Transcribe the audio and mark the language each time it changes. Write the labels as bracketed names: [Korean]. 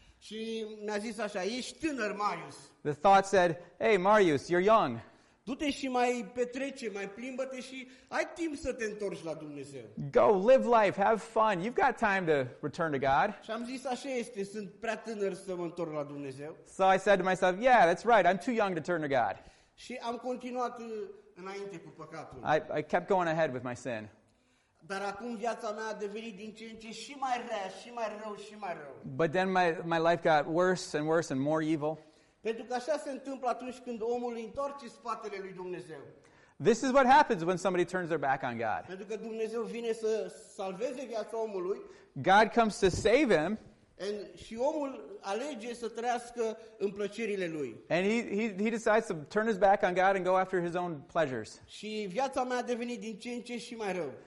[Romanian] Și mi-a zis așa, ești tânăr, Marius. [English] The thought said, hey, Marius, you're young. [Romanian] Du-te și mai petrece, mai plimbă-te și ai timp să te întorci la Dumnezeu. [English] Go, live life, have fun. You've got time to return to God. [Romanian] Și am zis, așa este, sunt prea tânăr să mă întorc la Dumnezeu. [English] So I said to myself, yeah, that's right, I'm too young to turn to God. [Romanian] Și am continuat înainte cu păcatul. [English] I kept going ahead with my sin. [Romanian] Dar acum viața mea a devenit din ce în ce și mai rea, și mai rău, și mai rău. [English] But then my life got worse and worse and more evil. [Romanian] Pentru că așa se întâmplă atunci când omul întoarce spatele lui Dumnezeu. [English] This is what happens when somebody turns their back on God. [Romanian] Pentru că Dumnezeu vine să salveze viața omului. [English] God comes to save him. [Romanian] And și omul alege să trăiască în plăcerile lui. [English] And he decides to turn his back on God and go after his own pleasures. [Romanian] Și viața mea a devenit din ce în ce și mai rău.